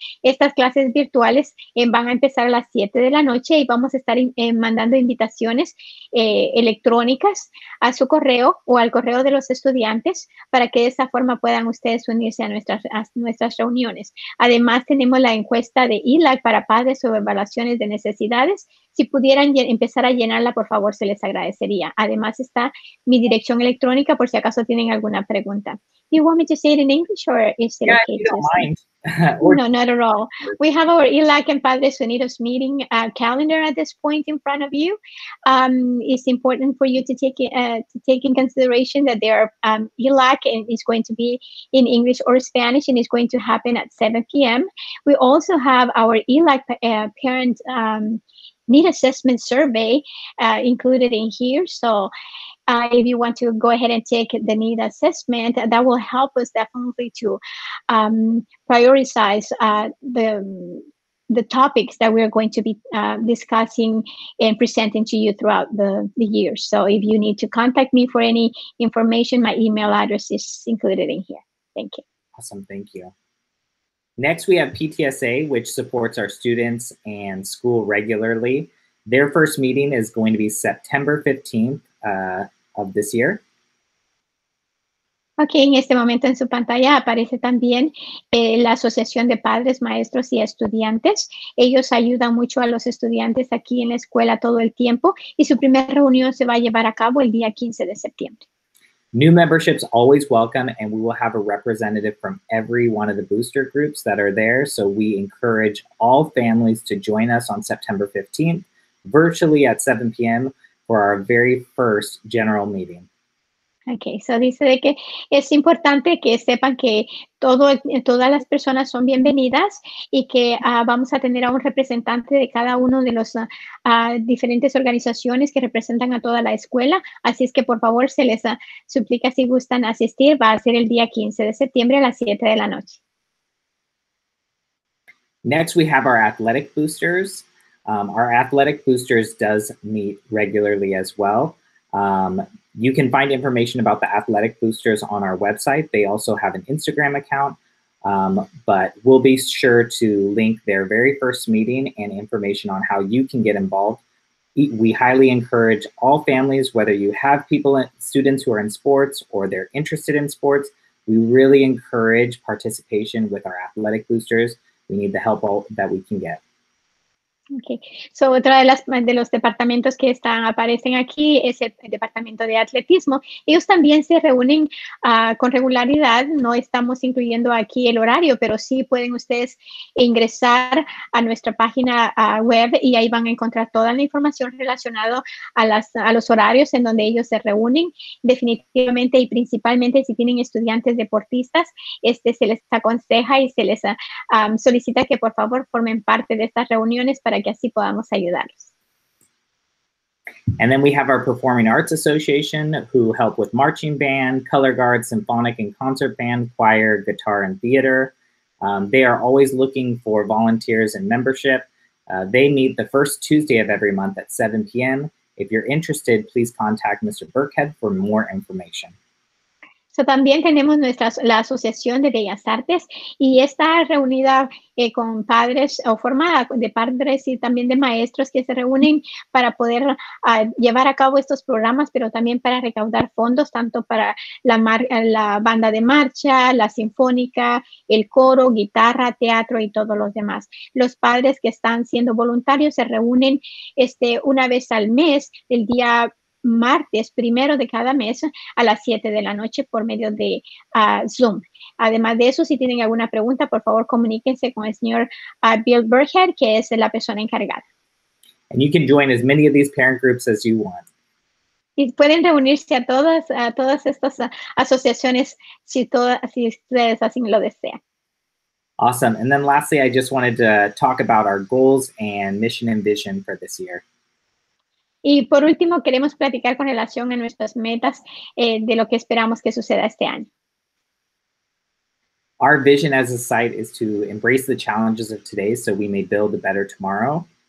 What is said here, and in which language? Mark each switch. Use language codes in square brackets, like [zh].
[es] Estas clases virtuales van a empezar a las 7 de la noche y vamos a estar mandando invitaciones electrónicas a su correo o al correo de los estudiantes para que de esa forma puedan ustedes unirse a nuestras reuniones. Además, tenemos la encuesta de ELAC para padres sobre evaluaciones de necesidades. Si pudieran empezar a llenarla, por favor, se les agradecería. Además, está mi dirección electrónica por si acaso tienen alguna pregunta. [en] Do you want me to say it in English or is it okay? Yeah, you don't mind. No, not at all. We have our ELAC and Padres Unidos meeting calendar at this point in front of you. It's important for you to take in consideration that there are ELAC and it's going to be in English or Spanish and it's going to happen at 7 p.m. We also have our ELAC parent need assessment survey included in here. So if you want to go ahead and take the need assessment, that will help us definitely to prioritize the topics that we're going to be discussing and presenting to you throughout the year. So if you need to contact me for any information, my email address is included in here. Thank you. Awesome. Thank you. Next, we have PTSA, which supports our students and school regularly. Their first meeting is going to be September 15th of this year. [es] Okay, en este momento en su pantalla aparece también la Asociación de Padres, Maestros y Estudiantes. Ellos ayudan mucho a los estudiantes aquí en la escuela todo el tiempo y su primera reunión se va a llevar a cabo el día 15 de septiembre. [en] New memberships always welcome, and we will have a representative from every one of the booster groups that are there. So we encourage all families to join us on September 15th, virtually at 7 p.m. for our very first general meeting. [es] Okay, so dice de que es importante que sepan que todo, todas las personas son bienvenidas y que vamos a tener a un representante de cada uno de los diferentes organizaciones que representan a toda la escuela. Así es que por favor se les suplica si gustan asistir. Va a ser el día 15 de septiembre a las 7 de la noche. [en] Next, we have our athletic boosters. Our athletic boosters does meet regularly as well. You can find information about the athletic boosters on our website. They also have an Instagram account, but we'll be sure to link their very first meeting and information on how you can get involved. We highly encourage all families, whether you have people, students who are in sports or they're interested in sports, we really encourage participation with our athletic boosters. We need the help that we can get. [es] Okay, so otra de las de los departamentos que están aparecen aquí es el departamento de atletismo. Ellos también se reúnen con regularidad. No estamos incluyendo aquí el horario, pero sí pueden ustedes ingresar a nuestra página web y ahí van a encontrar toda la información relacionada a los horarios en donde ellos se reúnen. Definitivamente y principalmente si tienen estudiantes deportistas, se les aconseja y se les solicita que por favor formen parte de estas reuniones para que así podamos ayudarlos. [en] And then we have our Performing Arts Association, who help with marching band, color guard, symphonic and concert band, choir, guitar, and theater. They are always looking for volunteers and membership. They meet the first Tuesday of every month at 7 p.m. If you're interested, please contact Mr. Burkhead for more information. [es] So, también tenemos nuestra, la Asociación de Bellas Artes y está reunida con padres o formada de padres y también de maestros que se reúnen para poder llevar a cabo estos programas, pero también para recaudar fondos tanto para la banda de marcha, la sinfónica, el coro, guitarra, teatro y todos los demás. Los padres que están siendo voluntarios se reúnen una vez al mes, el día martes primero de cada mes a las 7 de la noche por medio de Zoom. Además de eso, si tienen alguna pregunta, por favor, comuníquense con el señor Bill Burkhead, que es la persona encargada. [en] And you can join as many of these parent groups as you want. [es] Y pueden reunirse a todas estas asociaciones si ustedes así lo desean. [en] Awesome. And then lastly, I just wanted to talk about our goals and mission and vision for this year. [es] Y por último, queremos platicar con relación a nuestras metas de lo que esperamos que suceda este año. [en] Our vision as a site is to embrace the challenges of today so we may build a better tomorrow.